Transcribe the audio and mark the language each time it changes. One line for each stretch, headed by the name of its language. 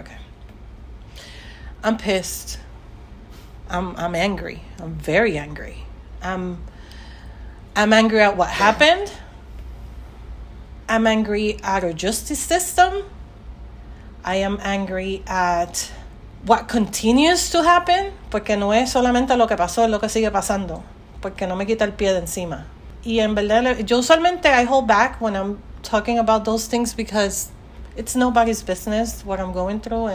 English: Okay. I'm pissed. I'm angry. I'm very angry. I'm angry at what happened. I'm angry at our justice system. I am angry at what continues to happen.
Spanish: Porque no es solamente lo que pasó, es lo que sigue pasando. Porque no me quita el pie de encima. Y en verdad, yo usualmente
English: I hold back when I'm talking about those things because it's nobody's business what I'm going through.